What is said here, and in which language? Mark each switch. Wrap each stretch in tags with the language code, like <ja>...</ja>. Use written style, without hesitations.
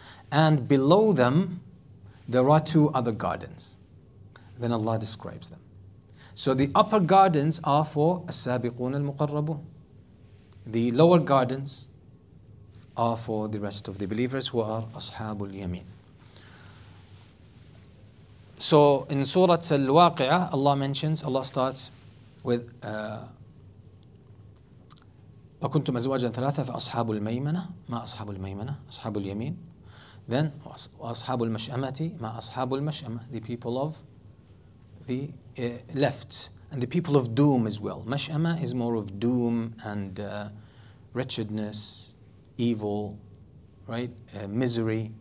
<en>And below them, there are two other gardens. Then Allah describes them. So the upper gardens are for السابقون المقربون. The lower gardens are for the rest of the believers who are أصحاب اليمين. So in Surah Al-Waqi'ah, Allah mentions, Allah starts with</en> <ar>وَكُنْتُمْ أَزْوَاجًا ثَلَاثًا فَأَصْحَابُ الْمَيْمَنَةِ مَا أَصْحَابُ الْمَيْمَنَةِ أَصْحَابُ الْيَمِينَ.</ar> <en>Then</en> <ar>وَأَصْحَابُ الْمَشْأَمَةِ مَا أَصْحَابُ الْمَشْأَمَةِ.</ar> <en>The people of the left and the people of doom as well. Mash'ama is more of doom and wretchedness, evil, right? Misery.</en>